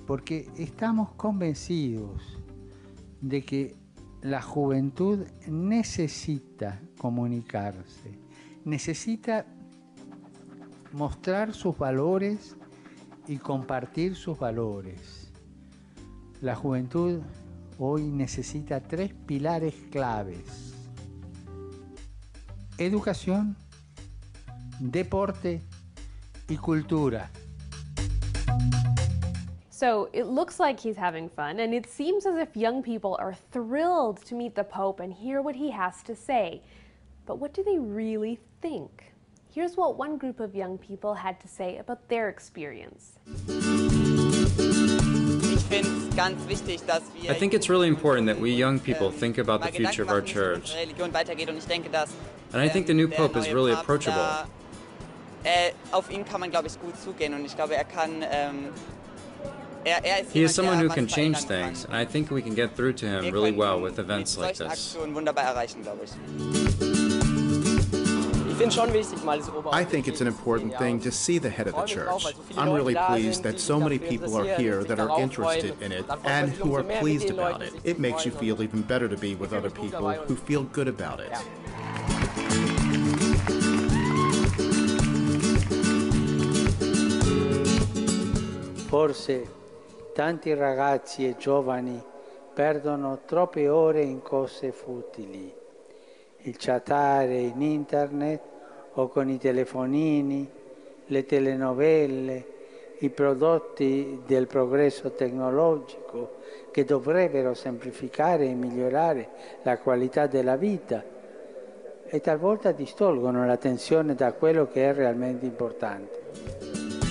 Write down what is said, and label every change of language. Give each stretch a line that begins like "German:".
Spanish: Porque estamos convencidos de que la juventud necesita comunicarse, necesita mostrar sus valores y compartir sus valores. La juventud hoy necesita tres pilares claves: educación, deporte y cultura.
English: So it looks like he's having fun, and it seems as if young people are thrilled to meet the Pope and hear what he has to say. But what do they really think? Here's what one group of young people had to say about their experience. I think it's really important that we young people think about the future of our church. And I think the new Pope is really approachable.
German: Auf ihn kann man, glaube ich, gut zugehen, und ich glaube, er kann.
English: He is someone who can change things, and I think we can get through to him really well with events like this. I think it's an important thing to see the head of the church. I'm really pleased that so many people are here that are interested in it and who are pleased about it. It makes you feel even better to be with other people who feel good about it.
Italian: Forse tanti ragazzi e giovani perdono troppe ore in cose futili. Il chattare in internet o con i telefonini, le telenovelle, i prodotti del progresso tecnologico che dovrebbero semplificare e migliorare la qualità della vita e talvolta distolgono l'attenzione da quello che è realmente importante.